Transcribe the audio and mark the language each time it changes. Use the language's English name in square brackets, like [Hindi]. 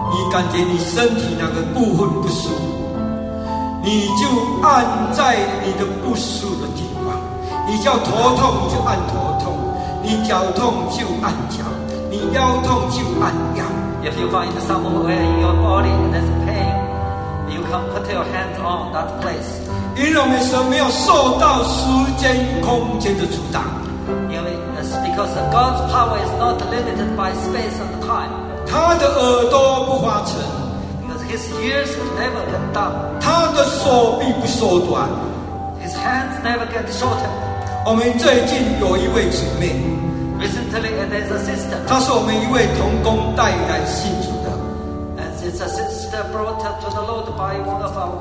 [Chinese] 感觉你身体哪个部分不舒服，你就按在你的不舒服的地方，你叫头痛就按头痛，你脚痛就按脚，你腰痛就按腰。 [English] If you find somewhere in your body that's pain, you can put your hands on that place. [Chinese] 因为我们神没有受到时间空间的阻挡，因为 [English] it's because God's power is not limited by space and time. [Chinese] 他的耳朵不发沉， [English] because his ears never get dumb. [Chinese] 他的手臂不缩短， [English] his hands never get shorter. [Chinese] 我们最近有一位姊妹， [English] recently there's a sister. [Chinese] 她是我们一位同工带来信主的， [English] and it's a sister brought up to the Lord by one of our